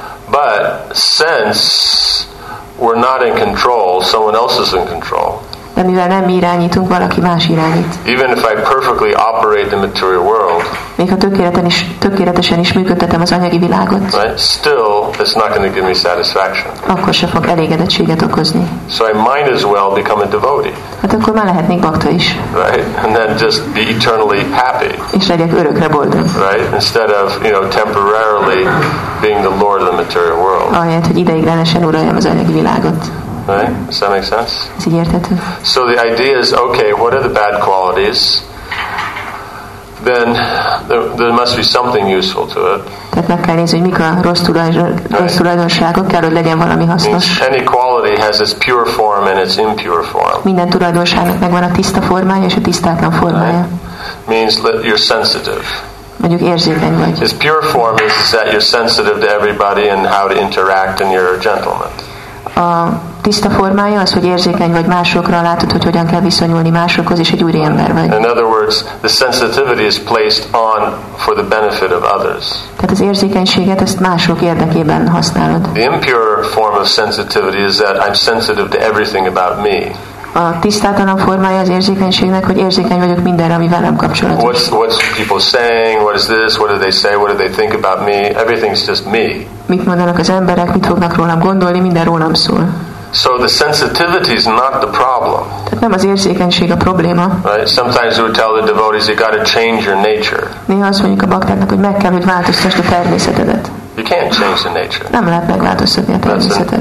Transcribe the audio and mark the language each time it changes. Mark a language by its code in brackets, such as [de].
[en] But since we're not in control, someone else is in control. [hu] De mivel nem mi irányítunk, valaki más irányít. [en] Even if I perfectly operate the material world, [hu] még ha tökéletesen is működtetem az anyagi világot, [en] right? Still, it's not going to give me satisfaction. [hu] Akkor se fog elégedettséget okozni. [en] So I might as well become a devotee. [hu] Hát akkor már lehetnék bakta is. [en] Right? And then just be eternally happy. [hu] És legyek örökre boldog. [en] Right? Instead of, you know, temporarily being the lord of the material world. [hu] Ahelyett, hogy ideiglenesen uraljam az anyagi világot. [en] Right? Does that make sense? So the idea is, okay, what are the bad qualities? Then there must be something useful to it. [hu] Tehát meg kell nézni, hogy mik a rossz tulajdonságok, kell, hogy legyen valami hasznos. [en] Any quality has its pure form and its impure form. [hu] Minden tulajdonságnak megvan a tiszta formája és a tisztátlan formája. [en] Means that you're sensitive. [hu] Mondjuk érzékeny vagy. [en] Its pure form is that you're sensitive to everybody and how to interact and you're a gentleman. [hu] A tiszta formája az, hogy érzékeny vagy másokra, látod, hogy hogyan kell viszonyulni másokhoz, és egy úri ember vagy. [en] In other words, the sensitivity is placed on for the benefit of others. [hu] Tehát az érzékenységet ezt mások érdekében használod. [en] The impure form of sensitivity is that I'm sensitive to everything about me. [hu] A tisztátalan formája az érzékenységnek, hogy érzékeny vagyok mindenre, ami velem kapcsolatos. [en] What's people saying? What is this? What do they say? What do they think about me? Everything's just me. [hu] Mit mondanak az emberek? Mit fognak rólam gondolni? Minden rólam szól. [en] So the sensitivity is not the problem. [hu] Tehát nem az érzékenység a probléma. [en] Right? Sometimes we tell the devotees, you got to change your nature. [hu] Néha azt mondjuk a baktáknak, hogy meg kell, hogy változtasd a természetedet. [en] You can't change the nature. [hu] Nem lehet megváltoztatni a természetet.